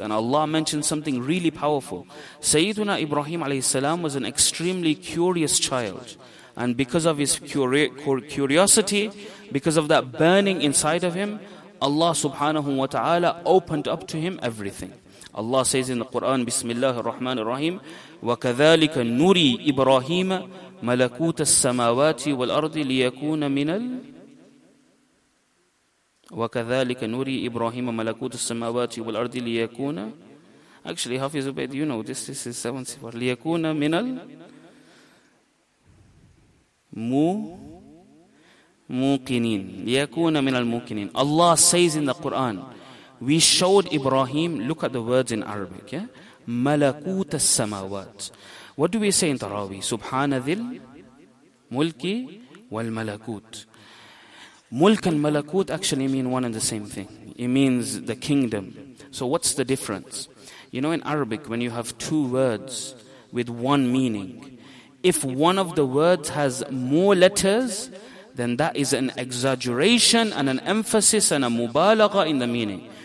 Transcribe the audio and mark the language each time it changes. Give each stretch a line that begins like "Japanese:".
English: And Allah mentioned something really powerful. Sayyiduna Ibrahim alayhi salam was an extremely curious child. And because of his curiosity, because of that burning inside of him, Allah subhanahu wa ta'ala opened up to him everything. Allah says in the Quran,
Arabic: Bismillah ar-Rahman ar-Rahim, وَكَذَلِكَ نُرِي إِبْرَاهِيمَ مَلَكُوتَ السَّمَاوَاتِ وَالْأَرْضِ لِيَكُونَ مِنَ ال... وَكَذَلِكَ نُرِي إِبْرَاهِيمَ مَلَكُوتَ السَّمَاوَاتِ وَالْأَرْضِ لِيَكُونَ.
English: Actually, Hafiz Ubaid, you know, this is 7-4.
Arabic: لِيَكُونَ مِنَ ال... موقنين. ليكون من الموقنين.
English: Allah says in the Quran, we showed Ibrahim, look at the words in Arabic, yeah?
Arabic: ملكوت السماوات.
English: What do we say in Taraweeh?
Arabic: سبحان ذي الملك والملكوت.
English: ملك and ملكوت actually mean one and the same thing. It means the kingdom. So what's the difference? You know, in Arabic, when you have two words with one meaning, if one of the words has more letters, then that is an exaggeration and an emphasis and a mubalagha in the meaning.